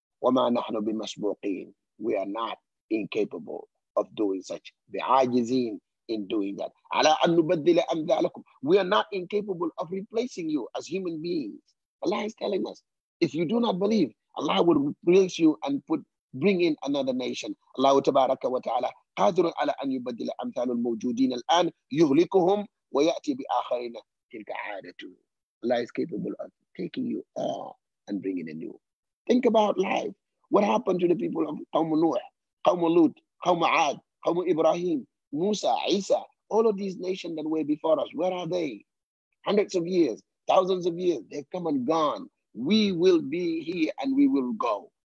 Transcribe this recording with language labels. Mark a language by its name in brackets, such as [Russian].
[Arabic] وَمَا نَحْنُ بِمَسْبُوقِينَ [English] We are not incapable of doing such. [Arabic] بِعَاجِزِينَ [English] In doing that. [Arabic] عَلَىٰ أَن نُبَدِّلَ أَمْثَالَكُمْ [English] We are not incapable of replacing you as human beings. Allah is telling us, if you do not believe, Allah will replace you and bring in another nation. [Arabic] الله تبارك وتعالى قادر على أن يبدل أمثال الموجودين الآن يهلكهم ويأتي بآخرين تلك عادته. [English] Allah is capable of taking you all and bringing a new. Think about life. What happened to the people of قوم نوح, قوم لوط, قوم عاد, قوم إبراهيم, موسى, عيسى, all of these nations that were before us, where are they? Hundreds of years, thousands of years, they've come and gone. We will be here and we will go.